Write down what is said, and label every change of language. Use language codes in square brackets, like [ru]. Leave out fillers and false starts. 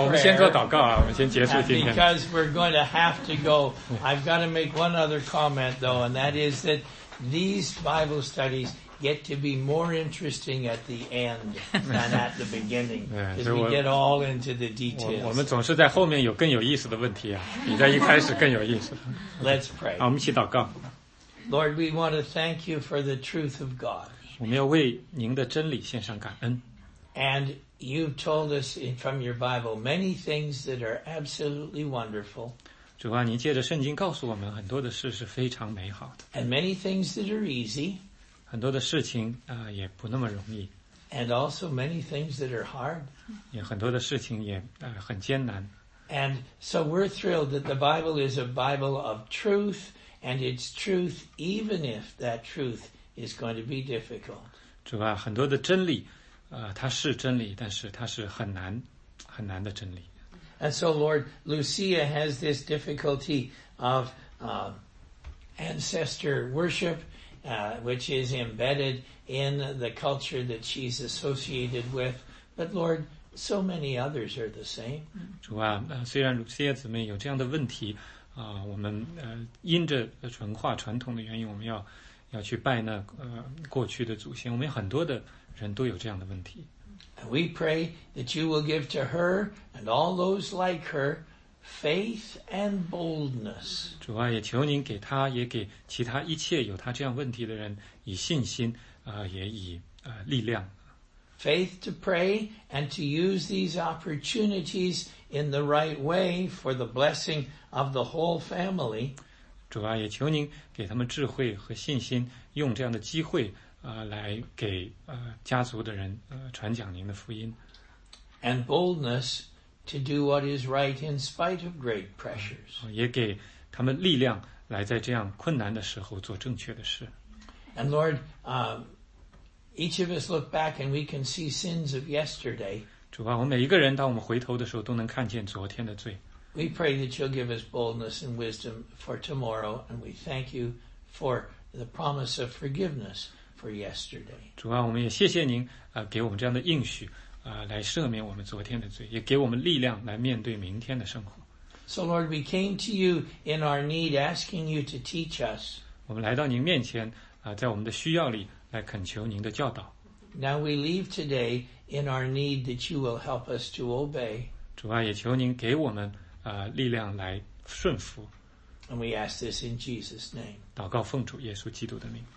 [zh] 我们先做祷告啊，我们先结束今天。 [en] Because we're going to have to go. I've got to make one other comment though, and that is that these Bible studies. Get to be more interesting at the end than at the beginning. Because we get all into the details. [zh] 我们总是在后面有更有意思的问题啊，比在一开始更有意思。 [en] Let's pray. [zh] 好，我们一起祷告。 [en] Lord, we want to thank you for the truth of God. [zh] 我们要为您的真理献上感恩。 [en] And you've told us from your Bible many things that are absolutely wonderful. [zh] 主啊，您借着圣经告诉我们很多的事是非常美好的。 [en] And many things that are easy. [zh] 很多的事情也不那么容易。 [en] And also many things that are hard. [zh] 也很多的事情也很艰难。 [en] And so we're thrilled that the Bible is a Bible of truth, and it's truth even if that truth is going to be difficult. [zh] 主啊，很多的真理它是真理，但是它是很难很难的真理。 [en] And so Lord, Lucia has this difficulty of ancestor worship,which is embedded in the culture that she's associated with. But Lord, so many others are the same. [zh] 主啊，虽然Lucia姊妹有这样的问题，我们因着文化传统的原因，我们要去拜那过去的祖先。我们很多的人都有这样的问题。 [en] And we pray that you will give to her and all those like her. Faith and boldness. [zh] 主啊，也求您给他，也给其他一切有他这样问题的人以信心，也以力量。 [en] Faith to pray and to use these opportunities in the right way for the blessing of the whole family. [zh] 主啊，也求您给他们智慧和信心，用这样的机会，来给家族的人传讲您的福音。 [en] And boldness. To do what is right in spite of great pressures. [zh] 也给他们力量来在这样困难的时候做正确的事。 [en] And Lord, each of us look back and we can see sins of yesterday. [zh] 主啊，我们每一个人当我们回头的时候都能看见昨天的罪。 [en] We pray that you'll give us boldness and wisdom for tomorrow and we thank you for the promise of forgiveness for yesterday. [zh] 主啊，我们也谢谢您给我们这样的应许。来赦免我们昨天的罪，也给我们力量来面对明天的生活。 [en] So Lord, we came to you in our need, asking you to teach us. [zh] 我们来到您面前，在我们的需要里来恳求您的教导。 [en] Now we leave today in our need that you will help us to obey. [zh] 主啊，也求您给我们力量来顺服。 [en] And we ask this in Jesus' name. [zh] 祷告奉主耶稣基督的名。